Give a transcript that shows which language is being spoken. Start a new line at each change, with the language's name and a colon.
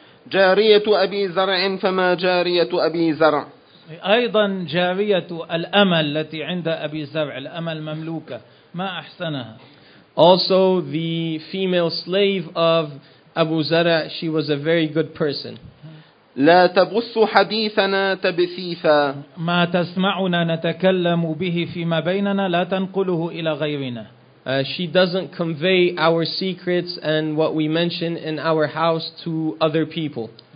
Arabic: جارية أبي زرع فما جارية أبي زرع أيضا جارية الأمل التي عند أبي زرع الأمل مملوكة ما أحسنها
English: Also the female slave of Abu زرع she was a very good person
Arabic: لا تبث حديثنا تبثيثا ما تسمعنا نتكلم به فيما بيننا لا تنقله إلى غيرنا
English: She doesn't convey our secrets and what we mention in our house to other people.